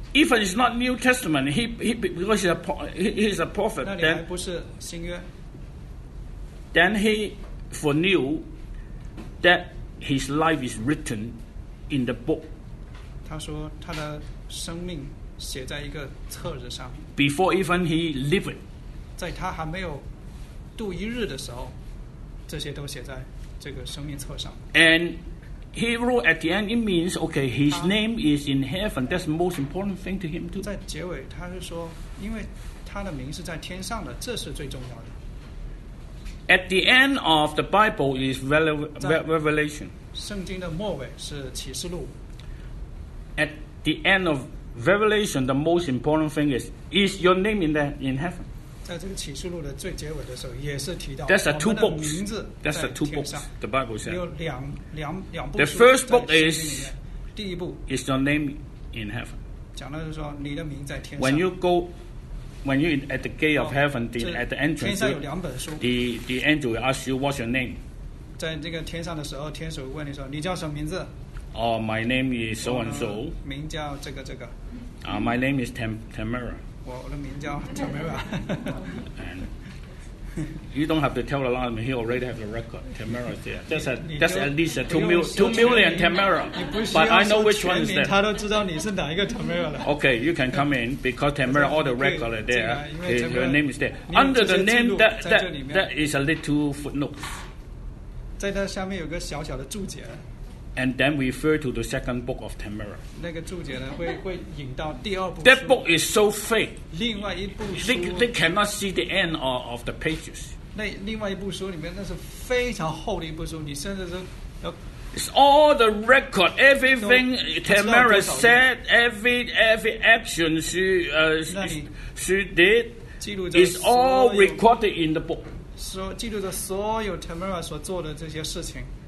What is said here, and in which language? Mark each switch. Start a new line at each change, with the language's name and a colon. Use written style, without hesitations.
English: Even it's not New Testament, he's a prophet.
Chinese: 那里还不是新约。
English: Then he foreknew that his life is written in the book.
Chinese: 他说他的生命写在一个册子上。
English: Before even he lived,
Chinese: 在他还没有度一日的时候，这些都写在这个生命册上。
English: And he wrote at the end. It means okay, his name is in heaven. That's the most important thing to him too.
Chinese: 在结尾，他是说，因为他的名是在天上的，这是最重要的。
English: At the end of the Bible is Revelation.
Chinese: 圣经的末尾是启示录。
English: At the end of Revelation, the most important thing is your name in heaven.
Chinese: 在这个启示录的最结尾的时候，也是提到。
English: That's the two books. That's the two books. The Bible says.
Chinese: 有两部。
English: The first book is.
Chinese: 第一部。
English: Is your name in heaven.
Chinese: 讲的是说你的名在天上。
English: When you at the gate of heaven, at the entrance,
Chinese: 天上有两本书。
English: The angel will ask you what's your name.
Chinese: 在这个天上的时候，天使问你说你叫什么名字？
English: Oh, my name is so and so.
Chinese: 名叫这个这个。
English: My name is Tamara.
Chinese: 我的名叫 Tamara.
English: And you don't have to tell a lot of them. He already have a record. Tamara is there. That's at least two million Tamara. But I know which one is there.
Chinese: 他都知道你是哪一个 Tamara 了。
English: Okay, you can come in because Tamara, all the records are there.
Chinese: 这个、
English: Your name is there. Under the name, that is a little footnote.
Chinese: 在它下面有个小小的注解。
English: And then refer to the second book of Tamara.
Chinese: 那个注解呢，会引到第二部。
English: That book is so fake.
Chinese: 另外一部书。
English: They cannot see the end of the pages.
Chinese: 那另外一部书里面，那是非常厚的一部书，你甚至是要。
English: It's all the record, everything Tamara said, every action she did, is all recorded in the book.
Chinese: 记录着所有 Tamara 所做的这些事情。